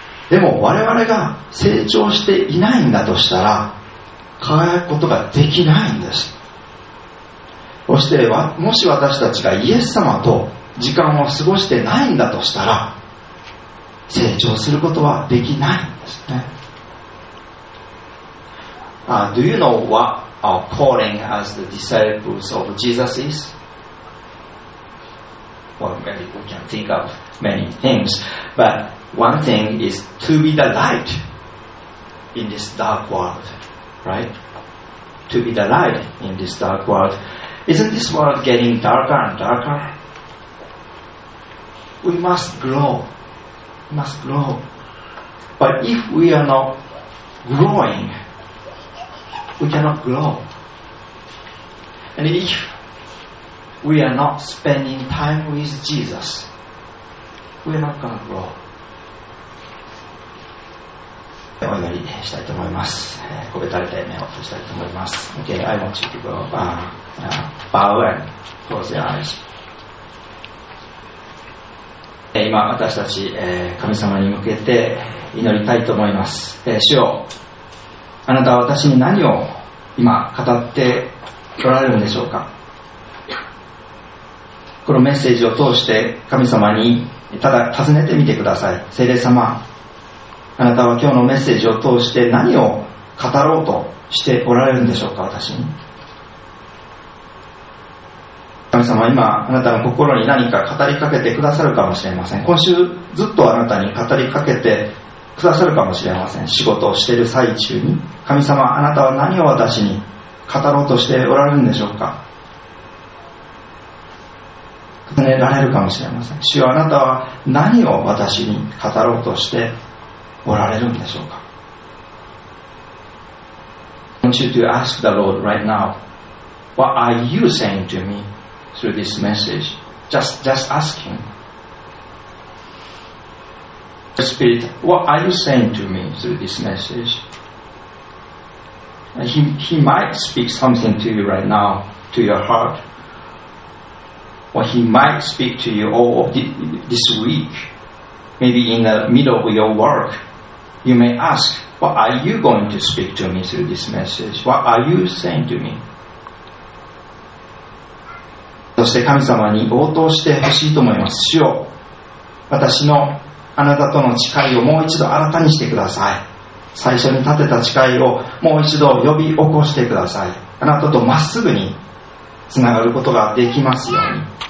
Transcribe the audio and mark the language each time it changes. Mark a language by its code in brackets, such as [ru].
[ja] でも我々が成長していないんだとしたら、輝くことができないんです。そしてもし私たちがイエス様と時間を過ごしてないんだとしたら、成長することはできないんですね。 [en] Do you know what our calling as the disciples of Jesus is? Well, maybe we can think of many things, but one thing is to be the light in this dark world, right? To be the light in this dark world. Isn't this world getting darker and darker? We must grow. We must grow. But if we are not growing, we cannot grow. And if we are not spending time with Jesus, we are not going to grow. [ja] お祈りしたいと思います。こべたれて目を閉じたいと思います。 [en] Okay, I want you to go, bow and close your eyes. [ja] 今私たち、神様に向けて祈りたいと思います。主よ、あなたは私に何を今語っておられるんでしょうか。このメッセージを通して神様にただ尋ねてみてください。聖霊様、あなたは今日のメッセージを通して何を語ろうとしておられるんでしょうか。私に、神様、今あなたの心に何か語りかけてくださるかもしれません。今週ずっとあなたに語りかけてくださるかもしれません。仕事をしている最中に、神様、あなたは何を私に語ろうとしておられるんでしょうか。尋ねられるかもしれません。主よ、あなたは何を私に語ろうとしておられるんでしょうか。 [en] I want you to ask the Lord right now, what are you saying to me through this message? Just ask Him. Spirit, what are you saying to me through this message? He might speak something to you right now, to your heart, or He might speak to you all of this week, maybe in the middle of your work. You may ask, what are you going to speak to me through this message? What are you saying to me? [ja] そして神様に応答してほしいと思います。主よ、私のあなたとの誓いをもう一度新たにしてください。最初に立てた誓いをもう一度呼び起こしてください。あなたとまっすぐにつながることができますように。